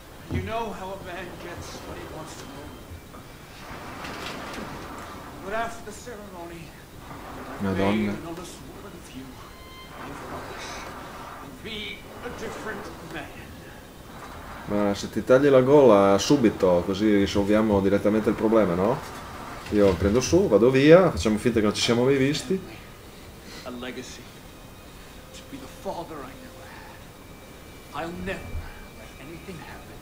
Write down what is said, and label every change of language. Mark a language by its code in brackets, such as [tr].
[en] You know how a man gets what he wants to know. But after the ceremony, Madonna, I made an honest woman of you. I promise. And be a different man. [it] Ma se ti tagli la gola subito, così risolviamo direttamente il problema, no? Io prendo su, vado via, facciamo finta che non ci siamo mai visti. [en] A legacy. To be the father I never had. I'll never let anything happen.